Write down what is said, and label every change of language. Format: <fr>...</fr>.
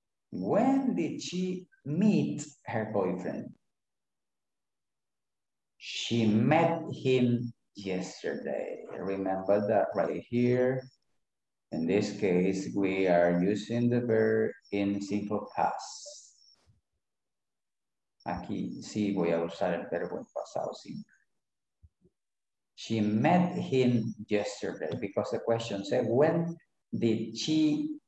<en>When did she meet her boyfriend? She met him yesterday. Remember that right here. In this case, we are using the verb in simple past.</en> <es>Aquí sí voy a usar el verbo en pasado simple.</es> <en>She met him yesterday, because the question said, when did she</en>